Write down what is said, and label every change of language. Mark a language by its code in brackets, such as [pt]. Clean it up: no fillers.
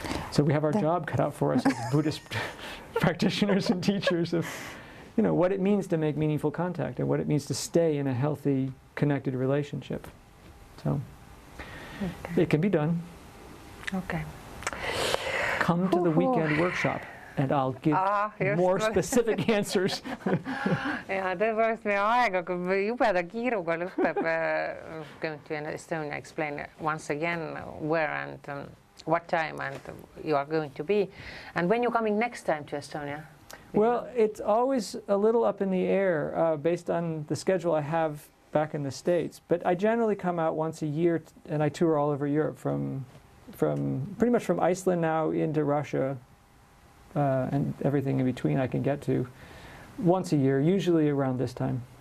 [en] So we have our job cut out for us as Buddhist practitioners and teachers of, you know, what it means to make meaningful contact and what it means to stay in a healthy, connected relationship. So it can be done. Okay. Come to the weekend workshop, and I'll give more specific answers. [et] Yeah, tõepoolest meie aeg, aga jubeda kiiruga lõpeb. [en] Going to Estonia, explain once again where and what time and you are going to be. And when you're coming next time to Estonia? Well, it's always a little up in the air based on the schedule I have back in the States. But I generally come out once a year, and I tour all over Europe from Iceland now into Russia and everything in between I can get to once a year, usually around this time.